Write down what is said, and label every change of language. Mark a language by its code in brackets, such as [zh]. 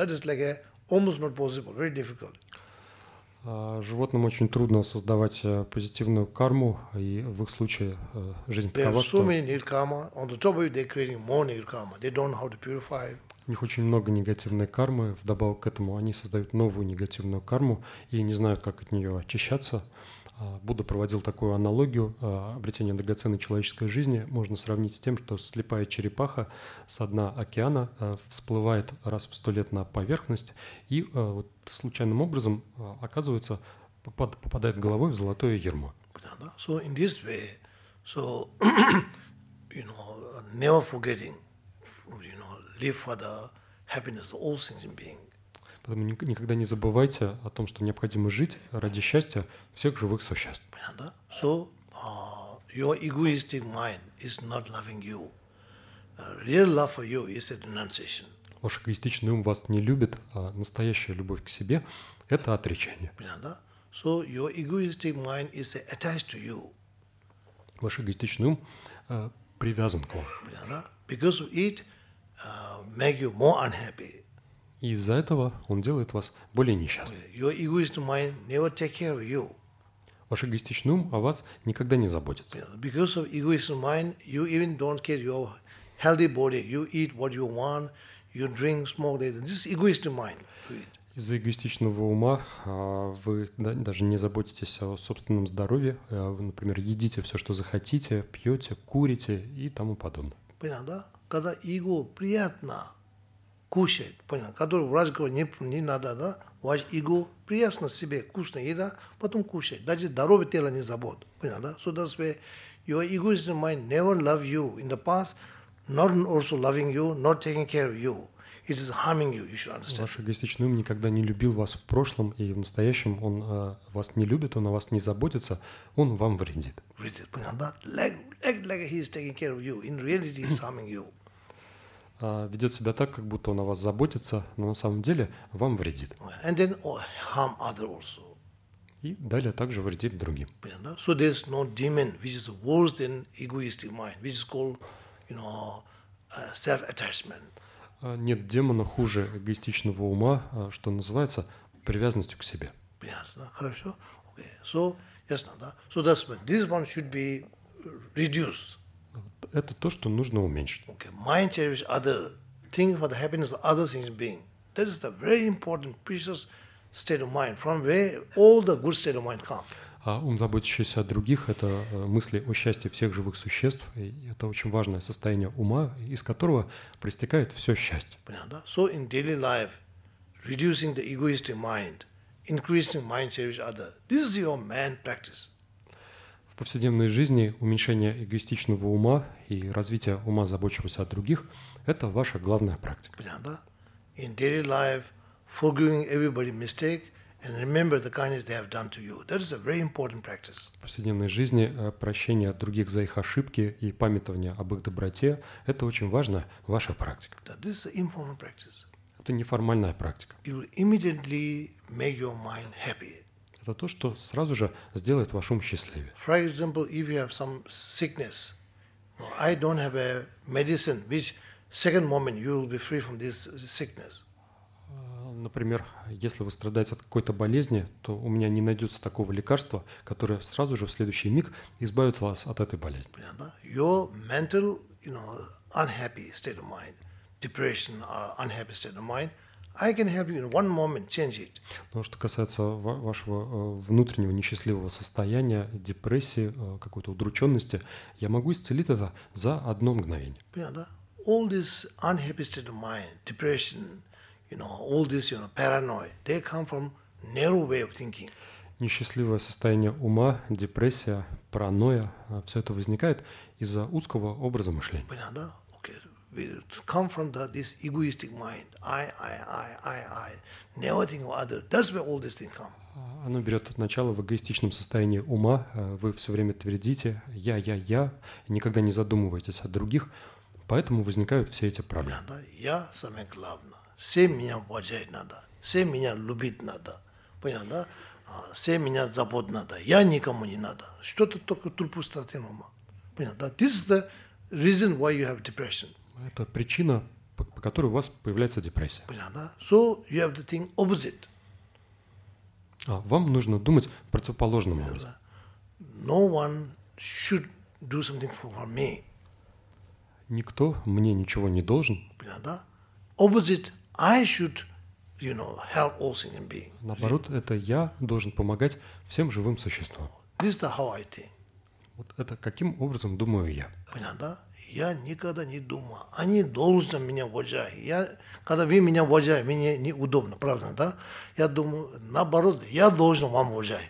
[en] That is like a almost not possible, very difficult. [ru] Животным очень трудно создавать позитивную карму, и в их случае жизнь такова, что... [en] They have so many negative karma, on the top of it, they're creating more negative karma. They don't know how to purify. [ru] У них очень много негативной кармы, вдобавок к этому они создают новую негативную карму и не знают, как от нее очищаться. Будда проводил такую аналогию. Обретение драгоценной человеческой жизни можно сравнить с тем, что слепая черепаха со дна океана всплывает раз в 100 лет на поверхность и вот случайным образом оказывается, попадает головой в золотое ярмо. [en] So in this way, so, you know, never forgetting, you know, live for the happiness of all sentient beings. [ru] Поэтому никогда не забывайте о том, что необходимо жить ради счастья всех живых существ. Понятно? [en] So, your egoistic mind is not loving you. Real love for you is a renunciation. [ru] Ваш эгоистичный ум вас не любит, а настоящая любовь к себе – это отречение. Понятно? [en] So, your egoistic mind is attached to you. [ru] Ваш эгоистичный ум привязан к вам. Понятно? [en] Because of it, make you more unhappy. [ru] Из-за этого он делает вас более несчастным. [en] Your egoist mind never take care of you. [ru] Ваш эгоистичный ум о вас никогда не заботится. [en] Yeah, because of egoist mind, you even don't care your healthy body. You eat what you want, you drink, smoke. Later. This is egoist mind. [ru] Из-за эгоистичного ума вы даже не заботитесь о собственном здоровье. Вы, например, едите все, что захотите, пьете, курите и тому подобное. Понятно, да? Когда эго приятно, кушает, понял, который врач говорит, не надо, да, ваш его приятно себе, вкусная еда, потом кушает, даже здоровье тела не забот, понял, да, [en] so that's why your ego is in mind, never love you in the past, not also loving you, not taking care of you. It is harming you, you should understand. [ru] Ваш эгоистичный ум никогда не любил вас в прошлом и в настоящем. Он вас не любит, он о вас не заботится, он вам вредит. Вредит, понял, да? [en] Like he is taking care of you. In reality, he is harming you. [ru] Ведет себя так, как будто он о вас заботится, но на самом деле вам вредит. [en] And then harm others also. [ru] И далее также вредит другим. Понял, да? [en] So there is no demon, which is worse than egoistic mind, which is called, you know, self-attachment. [ru] Нет демона хуже эгоистичного ума, что называется, привязанностью к себе. Ясно, хорошо. [en] Okay. So, [ru] ясно, да? [en] So that's why this one should be reduced. [ru] Это то, что нужно уменьшить. [en] Okay. Mind cherish other things for the happiness of other things being. That is the very important, precious state of mind, from where all the good state of mind come. [ru] А ум, заботящийся о других, это мысли о счастье всех живых существ. И это очень важное состояние ума, из которого проистекает все счастье. Понятно, да? [en] So in daily life, reducing the egoistic mind, increasing mind service other. This is your main practice. [ru] В повседневной жизни уменьшение эгоистичного ума и развитие ума, заботящегося о других, это ваша главная практика. Понятно, да? [en] In daily life, forgiving everybody's mistake, and remember the kindness they have done to you. That is a very important practice. [ru] В повседневной жизни прощение других за их ошибки и памятование об их доброте – это очень важно, ваша практика. [en] That this is an informal practice. [ru] Это неформальная практика. [en] It will immediately make your mind happy. [ru] Это то, что сразу же сделает ваш ум счастливее. [en] For example, if you have some sickness, I don't have a medicine, which second moment you will be free from this sickness. [ru] Например, если вы страдаете от какой-то болезни, то у меня не найдется такого лекарства, которое сразу же в следующий миг избавит вас от этой болезни. [en] Your mental, you know, unhappy state of mind, depression, unhappy state of mind, I can help you in one moment change it. [ru] Но что касается вашего внутреннего несчастливого состояния, депрессии, какой-то удрученности, я могу исцелить это за одно мгновение. Понятно? [en] All this unhappy state of mind, depression, you know, all this, you know, paranoia, they come from narrow way of thinking. [ru] Несчастливое состояние ума, депрессия, паранойя, все это возникает из-за узкого образа мышления. Понятно, да? [en] Okay. It come from this egoistic mind. I. Never think of other. That's where all these things come. [ru] Оно берет начало в эгоистичном состоянии ума. Вы все время твердите «я», и никогда не задумываетесь о других. Поэтому возникают все эти проблемы. Понятно, да? Я самое главное. Все меня уважать надо, все меня любить надо, понятно, да? Все меня забот надо, я никому не надо. Что-то только трупу статин ума, понятно, да? [en] This is the reason why you have depression. [ru] Это причина, по которой у вас появляется депрессия. Понятно, да? [en] So you have to think opposite. [ru] Вам нужно думать противоположным образом. [en] No one should do something for me. [ru] Никто мне ничего не должен. Понятно, да? [en] Opposite. I should, you know, help all sentient beings. [ru] Наоборот, это я должен помогать всем живым существам. [en] This is the how I think. [ru] Вот это каким образом думаю я. Понятно, да? Я никогда не думал. Они должны меня уважать. Я, когда вы меня уважаете, мне неудобно, правда, да? Я думаю, наоборот, я должен вам уважать.